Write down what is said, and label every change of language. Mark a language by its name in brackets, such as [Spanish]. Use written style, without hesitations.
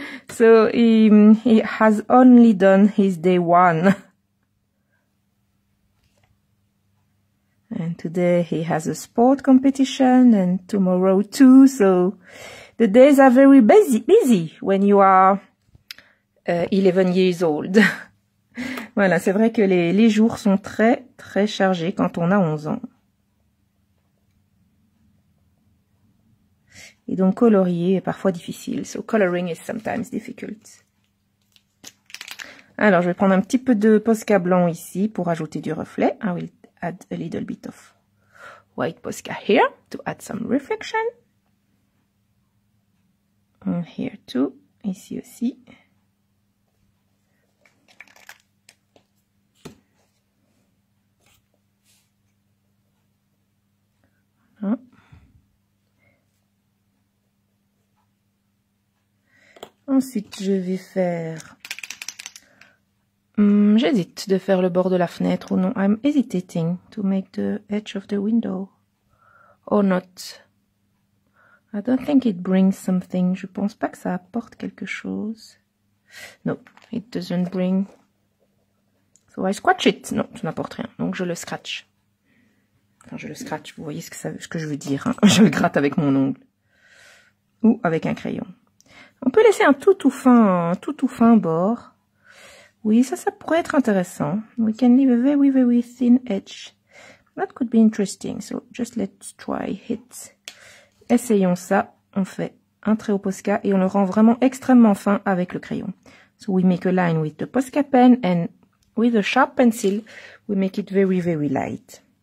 [English] So he has only done his day one. And today he has a sport competition and tomorrow too. So the days are very busy when you are 11 years old. [French] Voilà, c'est vrai que les jours sont très, très chargés quand on a 11 ans. Et donc, colorier est parfois difficile. [English] So, coloring is sometimes difficult. [French] Alors, je vais prendre un petit peu de Posca blanc ici pour ajouter du reflet. [English] I will add a little bit of white Posca here to add some reflection. And here too, [French] ici aussi. Ensuite, je vais faire... j'hésite de faire le bord de la fenêtre ou non. [English] I'm hesitating to make the edge of the window. Or not. I don't think it brings something. [French] Je pense pas que ça apporte quelque chose. [English] No, it doesn't bring... So I scratch it. [French] Non, ça n'apporte rien. Donc je le scratch. Enfin, je le scratch. Vous voyez ce que je veux dire. Hein. Je le gratte avec mon ongle. Ou avec un crayon. On peut laisser un tout fin bord. Oui, ça pourrait être intéressant. [English] We can leave a very, very thin edge. That could be interesting. So, just let's try it. [French] Essayons ça. On fait un trait au Posca et on le rend vraiment extrêmement fin avec le crayon. [English] So, we make a line with the Posca pen and with a sharp pencil, we make it very, very light.